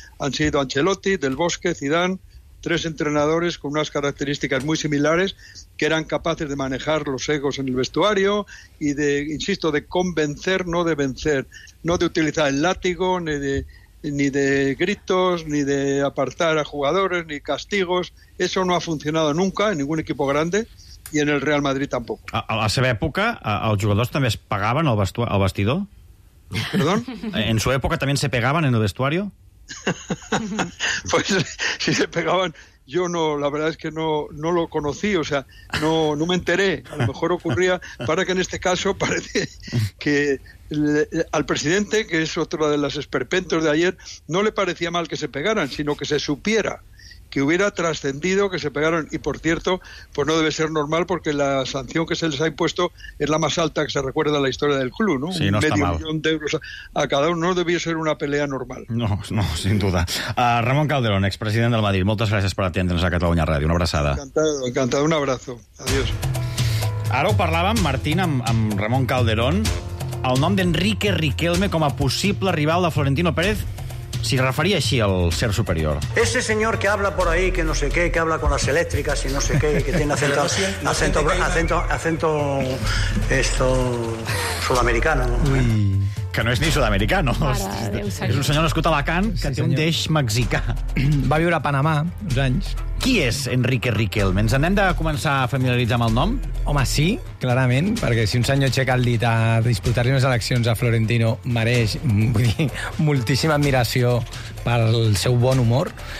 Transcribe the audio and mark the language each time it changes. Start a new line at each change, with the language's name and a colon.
Spanish: Han sido Ancelotti, Del Bosque, Zidane, 3 entrenadores con unas características muy similares, que eran capaces de manejar los egos en el vestuario y de, insisto, de convencer, no de vencer, no de utilizar el látigo, ni de gritos, ni de apartar a jugadores, ni castigos. Eso no ha funcionado nunca en ningún equipo grande, y en el Real Madrid tampoco.
Catalan: A la seva època, els jugadors també es pagaven al vestidor?
Spanish: ¿Perdón? ¿En su época también se pegaban en el vestuario? Pues si se pegaban, yo no, la verdad es que no lo conocí, o sea, no me enteré. A lo mejor ocurría, para que en este caso parece que al presidente, que es otro de los esperpentos de ayer, no le parecía mal que se pegaran, sino que se supiera. que hubiera trascendido, que se pegaron, y por cierto, pues no debe ser normal porque la sanción que se les ha impuesto es la más alta que se recuerda en la historia del club, ¿no? Sí, no está medio mal. Millón de euros a cada uno, no debía ser una pelea normal. No, no, sin duda.
Catalan: Ramón Calderón, expresident del Madrid, moltes gràcies per atendre'ns a Catalunya Ràdio. Una abraçada.
Spanish: Encantado, encantado. Un abrazo. Adiós.
Catalan: Ara ho parlàvem, Martín, amb Ramón Calderón, el nom d'Enrique Riquelme com a possible rival de Florentino Pérez. Si referia així al ser superior.
Spanish: Ese señor que habla por ahí, que no sé qué, que habla con las eléctricas y no sé qué, que tiene acento esto sudamericano.
Catalan: Uy, que no és ni sudamericano. És un senyor nascut a Alacant, que sí, té un deix mexicà. Va viure a Panamà uns anys. Qui és Enrique Riquelme? Ens n'hem de començar a familiaritzar amb el nom? Home, sí, clarament, perquè si un senyor aixeca el dit a disputar-li unes eleccions a Florentino, mereix, vull dir, moltíssima admiració pel seu bon humor.